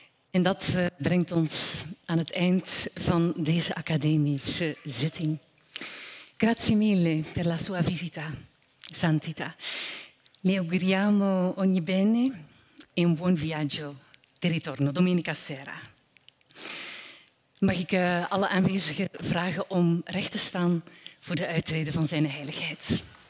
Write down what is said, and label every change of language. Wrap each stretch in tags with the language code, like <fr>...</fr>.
<nl>En dat brengt ons aan het eind van deze academische zitting.</nl> <it>Grazie mille per la sua visita, Santità. Le auguriamo ogni bene e un buon viaggio di ritorno domenica sera.</it> <nl>Mag ik alle aanwezigen vragen om recht te staan voor de uittreden van zijn heiligheid?</nl>